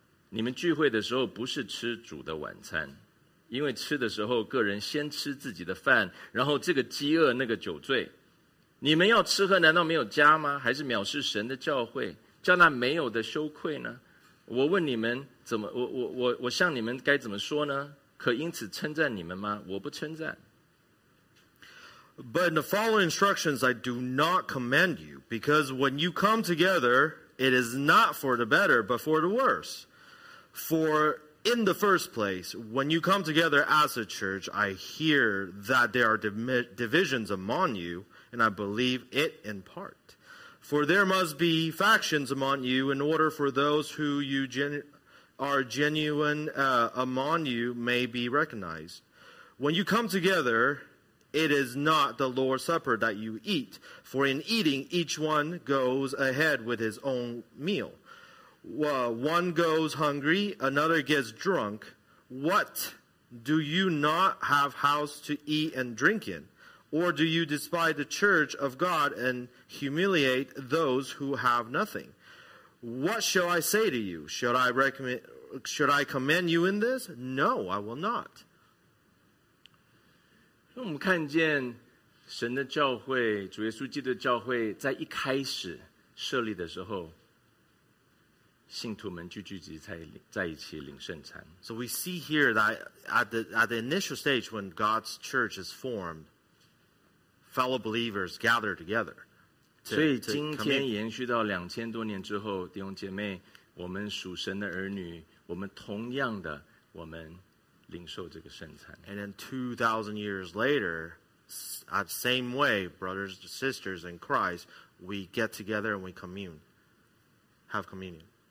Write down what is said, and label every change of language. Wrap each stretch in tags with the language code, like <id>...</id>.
<zh>你们聚会的时候不是吃主的晚餐，因为吃的时候个人先吃自己的饭，然后这个饥饿那个酒醉。你们要吃喝难道没有家吗？还是藐视神的教会，叫那没有的羞愧呢？我问你们怎么，我向你们该怎么说呢？可因此称赞你们吗？我不称赞。</zh> <en>But in the following instructions, I do not commend you, because when you come together, it is not for the better, but for the worse. For in the first place, when you come together as a church, I hear that there are divisions among you, and I believe it in part. For there must be factions among you in order for those who you are genuine among you may be recognized. When you come together, it is not the Lord's Supper that you eat, for in eating, each one goes ahead with his own meal. One goes hungry, another gets drunk. What, do you not have house to eat and drink in? Or do you despise the church of God and humiliate those who have nothing? What shall I say to you? Should I commend you in this? No, I will not.</en> <zh>我们看见神的教会, 主耶稣基督的教会, 在一开始设立的时候, 信徒们聚集在一起领圣餐。</zh> <en>So we see here that at the initial stage when God's church is formed, fellow believers gather together.</en> <zh>所以今天延续到2000多年之后, 弟兄姐妹, 我们属神的儿女, 我们同样的, 我们领受这个圣餐。</zh> <en>And then 2,000 years later, at same way, brothers and sisters in Christ, we get together and we commune, have communion.</en>